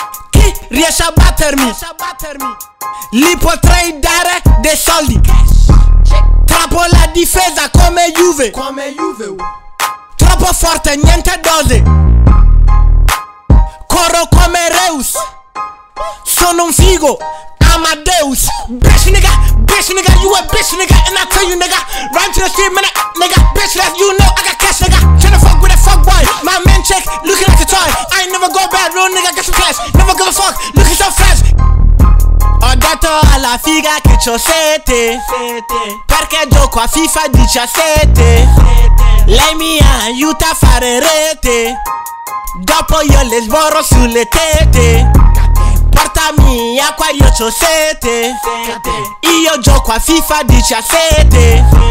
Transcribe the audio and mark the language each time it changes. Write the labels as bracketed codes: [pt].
[it] Chi riesce a battermi, li potrei dare dei soldi. Trappo la difesa come Juve, troppo forte, niente dose. Corro come Reus, sono un figo Amadeus. [en] Bitch nigga, bitch nigga, you a bitch nigga, and I tell you nigga, run to the street, man, nigga, bitch, that you know I got cash, nigga. Tryna fuck with a fuck boy, my man check, looking like a toy. I ain't never go bad, real nigga, got some cash, never give a fuck, looking so fresh. [it] Ho detto alla figa che c'ho sete, perché gioco a FIFA 17. Lei mi aiuta a fare rete, dopo io le sborro sulle tete. Portami acqua, io c'ho sete. Io gioco a FIFA 17.